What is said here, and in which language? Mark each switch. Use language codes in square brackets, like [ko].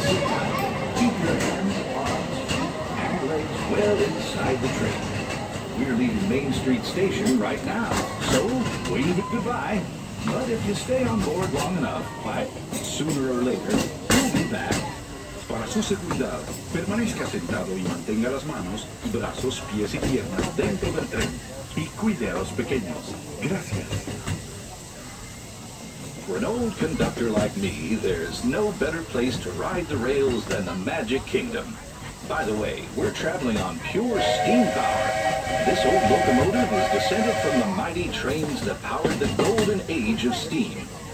[en] Sit down, keep your hands, arms, and legs well inside the train. We're leaving Main Street Station right now, so wave goodbye. But if you stay on board long enough, why, sooner or later, we'll be back. [es] Para su seguridad, permanezca sentado y mantenga las manos, brazos, pies y piernas dentro del tren. Y cuide a los pequeños. Gracias. [en] For an old conductor like me, there's no better place to ride the rails than the Magic Kingdom. By the way, we're traveling on pure steam power. This old locomotive is descended from the mighty trains that powered the golden age of steam.